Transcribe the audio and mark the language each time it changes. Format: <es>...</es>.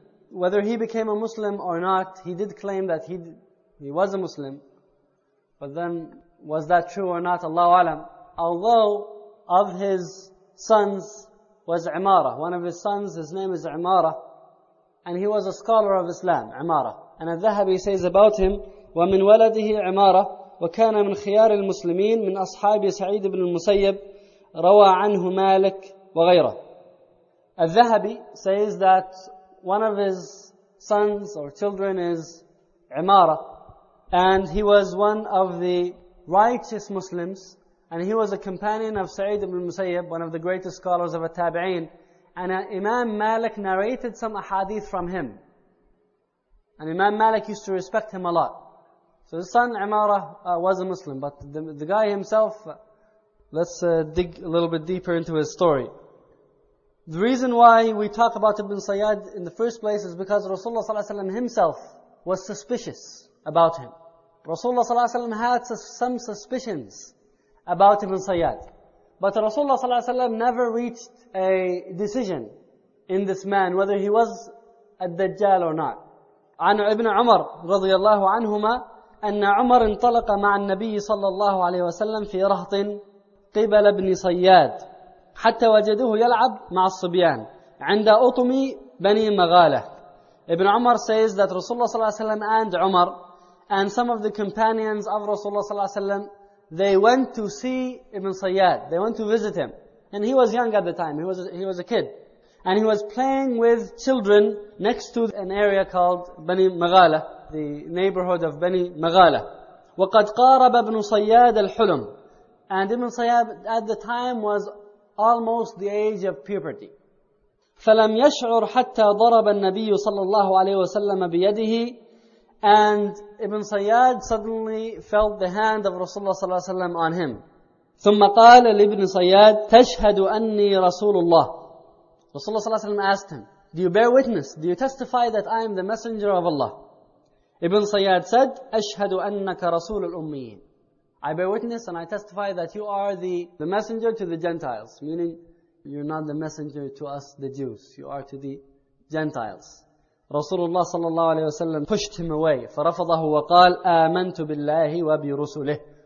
<en>Whether he became a Muslim or not, he did claim that he was a Muslim. But then, was that true or not? Allahu alam. Although, of his sons was Imara. One of his sons, his name is Imara. And he was a scholar of Islam, Imara. And al-Dhahabi says about him,</en> <ar>وَمِنْ وَلَدِهِ عِمَارَةً وَكَانَ مِنْ خِيَارِ الْمُسْلِمِينَ مِنْ أَصْحَابِ سَعِيدِ بْنِ الْمُسَيِّبِ رَوَى عَنْهُ مَالِكَ وَغَيْرَهُ.</ar> <en>الذهبي says that one of his sons or children is Imara, and he was one of the righteous Muslims, and he was a companion of Sa'id ibn al-Musayyib, one of the greatest scholars of a tabi'in, and Imam Malik narrated some ahadith from him. And Imam Malik used to respect him a lot. So his son Imara was a Muslim, but the guy himself, let's dig a little bit deeper into his story. The reason why we talk about Ibn Sayyad in the first place is because Rasulullah ﷺ himself was suspicious about him. Rasulullah ﷺ had some suspicions about Ibn Sayyad. But Rasulullah ﷺ never reached a decision in this man, whether he was a Dajjal or not.</en> <ar>عن ابن عمر رضي الله عنهما أن عمر انطلق مع النبي صلى الله عليه وسلم في رهط قبل ابن صياد حتى وجدوه يلعب مع الصبيان عند أطم بني مغالة.</ar> <en>Ibn Umar says that Rasulullah صلى الله عليه وسلم and Umar and some of the companions of Rasulullah صلى الله عليه وسلم, they went to see Ibn Sayyad. They went to visit him. And he was young at the time. He was a kid. And he was playing with children next to an area called Bani Maghala, the neighborhood of Bani Maghala.</en> <ar>وَقَدْ قَارَبَ ابْنُ صَيَّادَ الْحُلُمُ.</ar> <en>And Ibn Sayyad at the time was almost the age of puberty.</en> <ar>فَلَمْ يَشْعُرْ حَتَّى ضَرَبَ النَّبِيُّ صَلَّى اللَّهُ عَلَيْهِ وَسَلَّمَ بِيَدِهِ.</ar> <en>And Ibn Sayyad suddenly felt the hand of Rasulullah صلى الله عليه وسلم on him.</en> <ar>ثُمَّ قَالَ لِبْنِ صَيَّاد تَشْهَدُ أَنِّي رَسُولُ اللَّهِ.</ar> <en>Rasulullah صلى الله عليه وسلم asked him, do you bear witness? Do you testify that I am the messenger of Allah? Ibn Sayyad said,</en> <ar>أَشْهَدُ أَنَّكَ رَسُولُ الْأُمِّيِّينَ.</ar> <en>I bear witness and I testify that you are the messenger to the Gentiles. Meaning, you're not the messenger to us, the Jews. You are to the Gentiles. Rasulullah صلى الله عليه وسلم pushed him away.</en> <ar>فَرَفَضَهُ وَقَالْ آمَنْتُ بِاللَّهِ وَبِرُسُلِهِ.</ar>